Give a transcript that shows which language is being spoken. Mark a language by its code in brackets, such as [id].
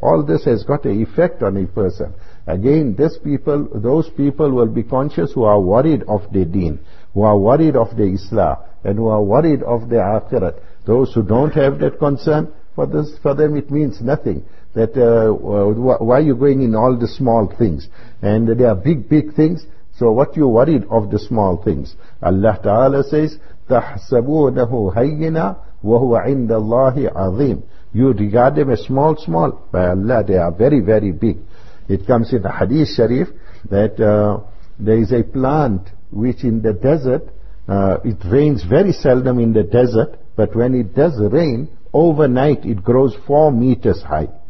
[en] All this has got an effect on a person. Again, this people, those people will be conscious who are worried of their deen, who are worried of their Islam, and who are worried of their akhirat. Those who don't have that concern, for this, for them it means nothing. That why are you going in all the small things? And they are big, big things. So what you worried of the small things? Allah Ta'ala says, [ar] تَحْسَبُونَهُ هَيِّنَا وَهُوَ عِنْدَ اللَّهِ عَظِيمٌ. [en] You regard them as small, small. By Allah, they are very, very big. It comes in the Hadith Sharif that there is a plant which in the desert, it rains very seldom in the desert, but when it does rain, overnight it grows 4 meters high.